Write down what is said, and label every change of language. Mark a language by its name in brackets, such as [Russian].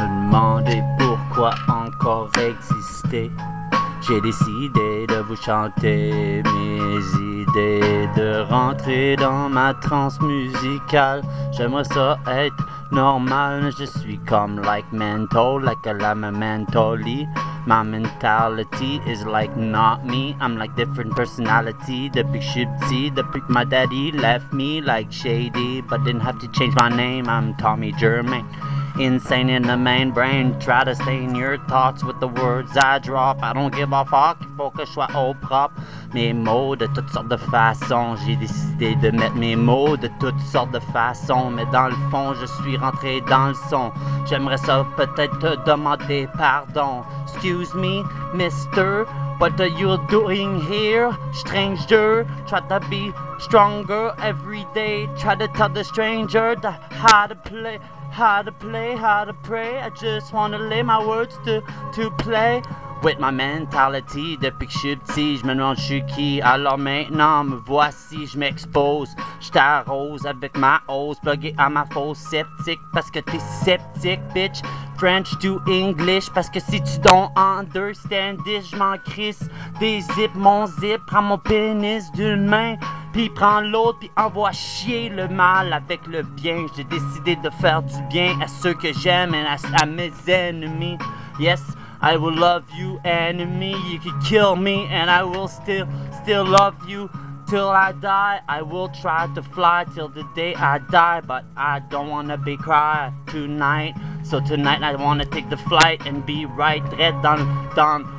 [French] demander pourquoi encore exister. J'ai décidé de vous chanter mes idées, de rentrer dans ma transe musicale. J'aimerais ça être normal, mais je suis comme [English] like mental, like a lama mentally. My mentality is like not me, I'm like different personality. [French] Depuis que je suis petit, depuis que [English] my daddy left me like shady, but didn't have to change my name, I'm Tommy Germain. Insane in the main brain, try to stain your thoughts with the words I drop. I don't give a fuck, [French] il faut que je sois au propre. Mes mots de toutes sortes de façons, j'ai décidé de mettre mes mots de toutes sortes de façons. Mais dans le fond, je suis rentré dans le son. J'aimerais ça peut-être te demander pardon. [English] Excuse me, mister, what are you doing here? Stranger, try to be stronger every day. Try to tell the stranger that how to play. How to play, how to pray, I just wanna lay my words to play. With my mentality, [French] depuis que je suis petit, je me demande je suis qui. Alors maintenant, me voici, je m'expose. Je t'arrose avec ma hose, plugué à ma fosse sceptique. Parce que t'es sceptique, bitch. [English] French to English, [French] parce que si tu [English] don't understand this, [French] je m'en crisse. Dézip mon zip, prends mon pénis d'une main. Pis prends l'autre, pis envoie chier le mal avec le bien. J'ai décidé de faire du bien à ceux que j'aime et à mes ennemis. [English] Yes, I will love you, enemy. You could kill me and I will still love you till I die. I will try to fly till the day I die, but I don't wanna be cry tonight. So tonight I wanna take the flight and be right red done.